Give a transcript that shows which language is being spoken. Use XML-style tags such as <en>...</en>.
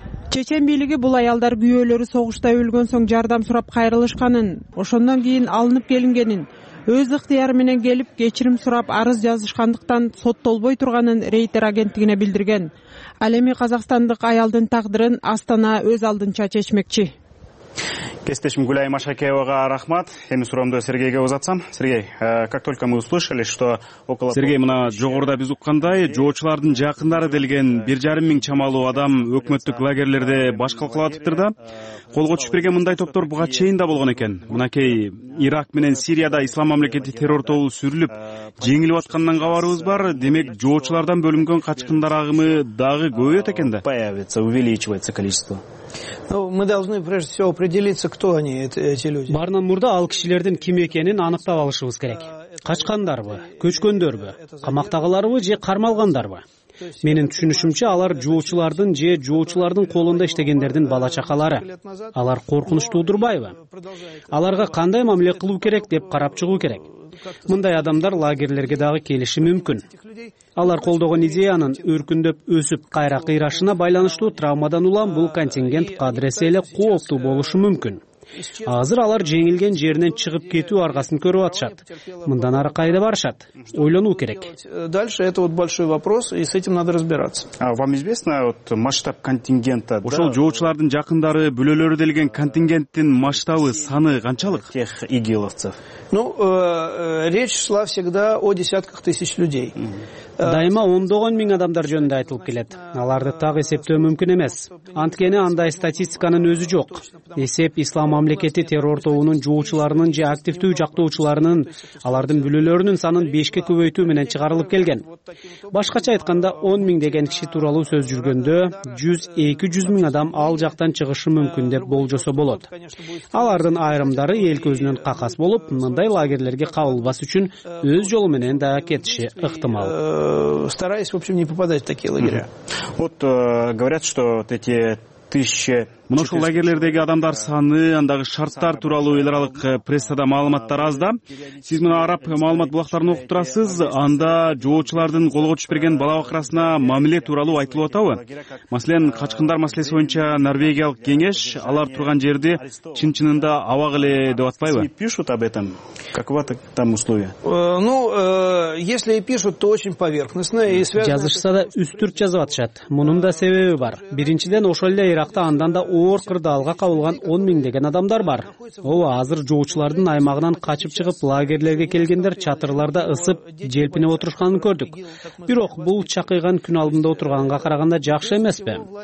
<ky>Чечен бийлиги бул аялдар күйөөлөрү согушта өлгөн соң жардам сурап кайрылышканын, ошондон кийин алынып келингенин, өз ыктыяры менен келип кечирим сурап арыз жазышкандыктан соттолбой турганын Рейтер агенттигине билдирген. Ал эми казакстандык аялдын тагдырын Астана өз алдынча чечмекчи. Кесиптешим Гүлайым Ашакеевага рахмат. Эми суроомду Сергейге узатсам.</ky> <ru>Сергей, как только мы услышали, что около...</ru> <ky>Сергей, мына жогоруда биз уккандай, жоочулардын жакындары делген 1,5 000 чамалуу адам өкмөттүк лагерлерде башкалкылатыптыр да. Колго түшүп берген мындай топтор буга чейин да болгон экен. Мынакей Ирак менен Сирияда ислам мамлекети террор тобу сүрүлүп, жеңилип аткандан кабарыбыз бар. Демек, жоочулардан бөлүнгөн качкындар агымы дагы көбөйөт экен да.</ky> <ru>Появится, увеличивается количество. Но мы должны прежде всего определиться, кто они, эти люди.</ru> <ky>Барынан мурда ал кишилердин ким экенин аныктап алышыбыз керек. Качкандарбы, көчкөндөрбү, камактагыларбы же кармалгандарбы? Менин түшүнүшүмчө алар жоочулардын же жоочулардын колунда иштегендердин бала чакалары. Алар коркунуч туудурбайбы? Аларга кандай мамиле кылуу керек деп карап чыгуу керек. Мындай адамдар лагерлерге дагы келиши мүмкүн. Алар колдогон идеянын өркүндөп өсүп кайра кыйрашына байланыштуу травмадан улам бул контингент кадыресе эле кооптуу болушу мүмкүн. Азыр алар жеңилген жеринен чыгып кетүү аргасын көрүп атышат. Мындан ары кайда барышат? Ойлонуу керек.</ky> <ru>Дальше это вот большой вопрос, и с этим надо разбираться. Вам известно вот масштаб контингента?</ru> <ky>Ошол жоочулардын жакындары бүлөлөрү делген контингенттин масштабы, саны канчалык?</ky> <ru>Тех игиловцев. Ну, речь шла всегда о десятках тысяч людей.</ru> <ky>Дайыма ондогон миң адамдар жөнүндө айтылып келет. Аларды так эсептөө мүмкүн эмес. Анткени андай статистиканын өзү жок. Эсеп Ислам мамлекети террор тобунун жоочуларынын же активдүү жактоочуларынын алардын бүлөлөрүнүн санын бешке көбөйтүү менен чыгарылып келген. Башкача айтканда 10,000 деген киши тууралуу сөз жүргөндө 100-200 миң адам ал жактан чыгышы мүмкүн деп болжосо болот. Алардын айрымдары эл көзүнүн какас болуп, мындай лагерлерге кабылбас үчүн өз жолу менен да кетиши ыктымал.</ky> <ru>Стараясь, в общем, не попадать в такие лагеря. Вот говорят, что вот эти тысячи...</ru> <ky>Мына ушул лагерлердеги адамдар саны, андагы шарттар тууралуу эл аралык прессада маалыматтар аз да. Сиз мына араб маалымат булактарын окуп турасыз, анда жоочулардын колго түшүп берген бала бакырасына мамиле тууралуу айтылып атабы? Маселен, качкындар маселеси боюнча Норвегиялык кеңеш алар турган жерди чын-чынында абак эле деп атпайбы?</ky> <ru>Пишут об этом. Каковы там условия? Ну, если и пишут, то очень поверхностно и связано.</ru> <ky>Жазышса да үстүрт жазып атышат. Мунун да себеби бар. Биринчиден, ошол эле Иракта андан оор кырдаалга кабылган 10,000 деген адамдар бар. Ооба, азыр жоочулардын аймагынан качып чыгып лагерлерге келгендер чатырларда ысып желпинип отурушканын көрдүк. Бирок бул чакыйган күн алдында отурганга караганда жакшы эмеспи?</ky>